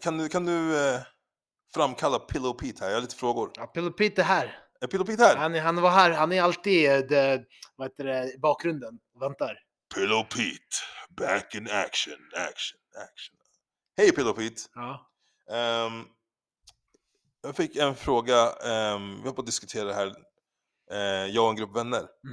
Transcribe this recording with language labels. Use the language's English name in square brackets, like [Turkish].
[Swedish] Kan du framkalla Pillow Pete här? Jag har lite frågor. Ja, Pillow Pete är här. Är Pillow Pete här? Han var här, han är alltid i bakgrunden, väntar. [English] Pillow Pete, back in action, action, action. [Swedish] Hej Pillow Pete. Ja. Jag fick en fråga, vi har på att diskutera det här, jag och en grupp vänner.